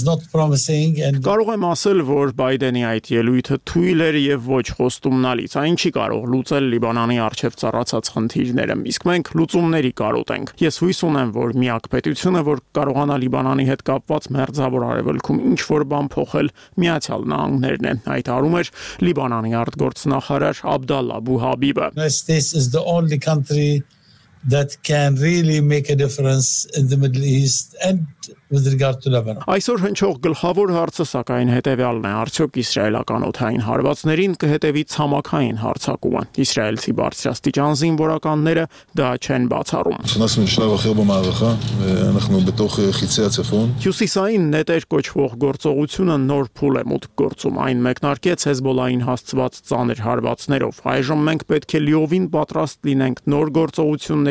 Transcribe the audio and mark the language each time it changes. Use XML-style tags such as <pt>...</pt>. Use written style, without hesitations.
<hy>Կարող եմ ասել, որ Բայդենի այդ ելույթը թույլ էր և ոչ խոստումնալից, այն չի կարող լուծել Լիբանանի առջև ծառացած խնդիրները, իսկ մենք լուծումների կարոտ ենք։ Ես հույս ունեմ, որ միակ պետությունը, որ կարողանա Լիբանանի հետ կապված մերձավոր արևելքում ինչ-որ բան փոխել, Միացյալ Նահանգներն են, հայտարարում էր Լիբանանի արտգործնախարար Abdallah Abu Habib.</hy> <en>This is the only country that can really make a difference in the Middle East and with regard to Lebanon.</en> <hy>Այսօր հնչող գլխավոր հարցը, սակայն, հետևյալն է. արդյոք իսրայելական օթային հարվածներին կհետևի ցամաքային հարցակումը։ Իսրայելցի բարձրաստիճան զինվորականները դա չեն բացառում։ Հյուսիսային նետեր կոչվող գործողությունը նոր փուլ է մուտք գործում, այն մեկնարկեց Հեզբոլային հասցված ծանր հարվածներով։ Այժմ մենք պետք է լիովին պատրաստ լինենք նոր գործողությունների</hy>